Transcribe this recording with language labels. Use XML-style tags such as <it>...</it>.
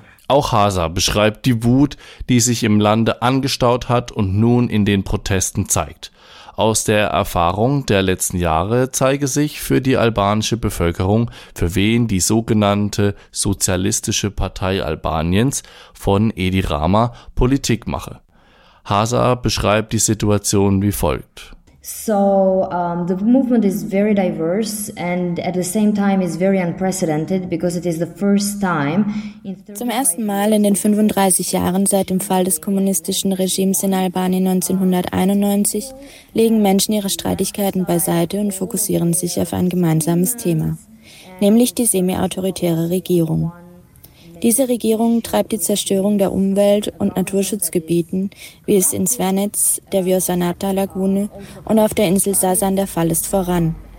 <de>Auch Hasa beschreibt die Wut, die sich im Lande angestaut hat und nun in den Protesten zeigt. Aus der Erfahrung der letzten Jahre zeige sich für die albanische Bevölkerung, für wen die sogenannte Sozialistische Partei Albaniens von Edi Rama Politik mache. Hasa beschreibt die Situation wie folgt.</de> <en>The movement is very diverse and at the same time is very unprecedented because it is the first time</en> <de>in 35 Zum ersten Mal in den 35 Jahren seit dem Fall des kommunistischen Regimes in Albanien 1991 legen Menschen ihre Streitigkeiten beiseite und fokussieren sich auf ein gemeinsames Thema, nämlich die semi-autoritäre Regierung. Diese Regierung treibt die Zerstörung der Umwelt- und Naturschutzgebieten, wie es in Svenets, der Viosanata-Lagune und auf der Insel Sazan der Fall ist, voran.</de>